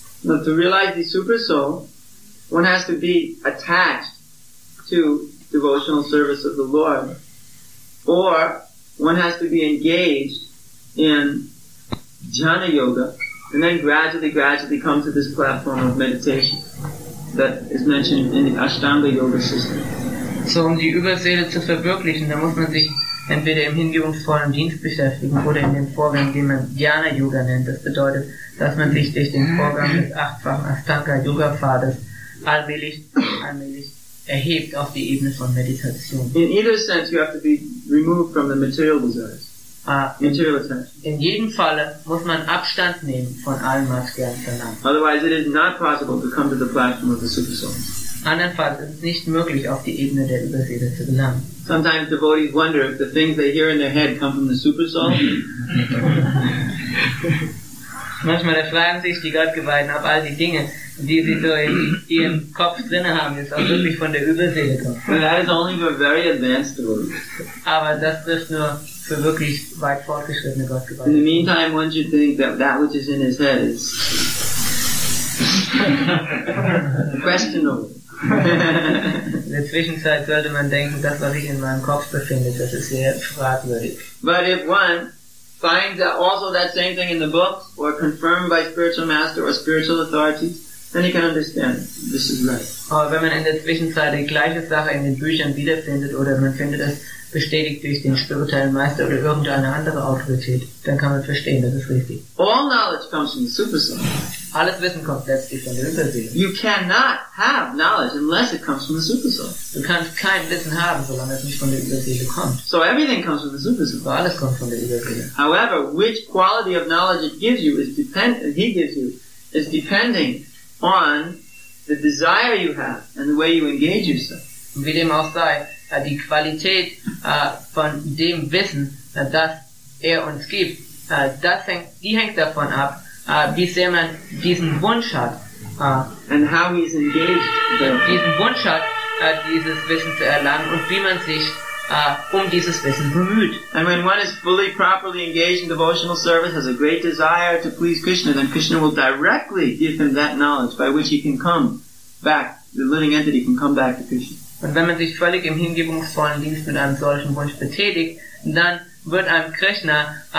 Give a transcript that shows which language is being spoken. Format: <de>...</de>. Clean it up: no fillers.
<en>No, to realize the super soul, one has to be attached to devotional service of the Lord, or one has to be engaged in jhana yoga, and then gradually come to this platform of meditation that is mentioned in the Ashtanga yoga system.</en> <de>So, die Überseele zu verwirklichen, da muss man sich entweder im hingebungsvollen Dienst beschäftigen oder in den Vorgang, den man Dhyana-Yoga nennt. Das bedeutet, dass man sich durch den Vorgang des achtfachen Astanga-Yoga-Pfades allmählich erhebt auf die Ebene von Meditation.</de> <en>In either sense, you have to be removed from the material desires. Material attention.</en> <de>In jedem Falle muss man Abstand nehmen von allen materiellen Verlangen.</de> <en>Otherwise, it is not possible to come to the platform of the super soul.</en> <de>Andernfalls ist es nicht möglich, auf die Ebene der Überseele zu gelangen.</de> <en>Sometimes devotees wonder if the things they hear in their head come from the super soul.</en> <de>Manchmal fragen sich die Gottgeweihten, ob all die Dinge, die sie so in ihrem Kopf drinne haben, jetzt auch wirklich von der Überseele kommen.</de> <en>That is only for very advanced devotees.</en> <de>Aber das ist nur für wirklich weit fortgeschrittene Gottgeweihten.</de> <en>In the meantime, one should think that that which is in his head is questionable.</en> <de>In der Zwischenzeit sollte man denken, das, was ich in meinem Kopf befinde, das ist sehr fragwürdig.</de> <en>But if one finds also that same thing in the books or confirmed by spiritual master or spiritual authorities, then he can understand this is right.</en> <de>Aber wenn man in der Zwischenzeit die gleiche Sache in den Büchern wiederfindet oder man findet es bestätigt durch den spirituellen Meister oder irgendeine andere Autorität, dann kann man verstehen, das ist richtig.</de> <en>All knowledge comes from the super soul.</en> <de>Alles Wissen kommt letztlich von der Überseele.</de> <en>You cannot have knowledge unless it comes from the super soul.</en> <de>Du kannst kein Wissen haben, solange es nicht von der Überseele kommt.</de> <en>So everything comes from the super soul.</en> <de>Aber alles kommt von der Überseele.</de> <en>However, which quality of knowledge it gives you is depending on the desire you have and the way you engage yourself.</en> <de>Wie dem auch sei, die Qualität von dem Wissen, das er uns gibt, die hängt davon ab, wie sehr man diesen Wunsch hat,</de> <en>and how he's engaged,</en> <de>diesen Wunsch hat, dieses Wissen zu erlangen und wie man sich um dieses Wissen bemüht.</de> <en>And when one is fully properly engaged in devotional service, has a great desire to please Krishna, then Krishna will directly give him that knowledge by which he can come back, the living entity can come back to Krishna.</en> <de>Und wenn man sich völlig im hingebungsvollen Dienst mit einem solchen Wunsch betätigt, dann wird einem Krishna</de>